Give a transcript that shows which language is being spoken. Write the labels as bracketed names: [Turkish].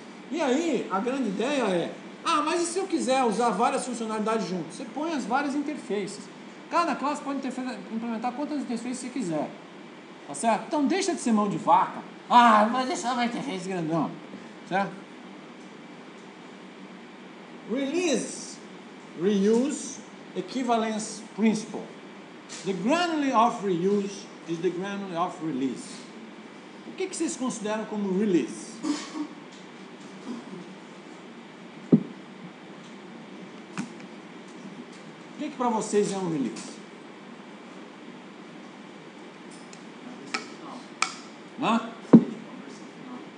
[Portuguese] E aí, a grande ideia é: ah, mas e se eu quiser usar várias funcionalidades juntas? Você põe as várias interfaces. Cada classe pode implementar quantas interfaces você quiser. Tá certo? Então, deixa de ser mão de vaca. Ah, mas deixa uma interface grandão. Certo? [English] Release, Reuse, Equivalence Principle. The granularity of reuse is the granularity of release. [Portuguese] O que vocês consideram como release? O que para vocês é um release? Uma versão final.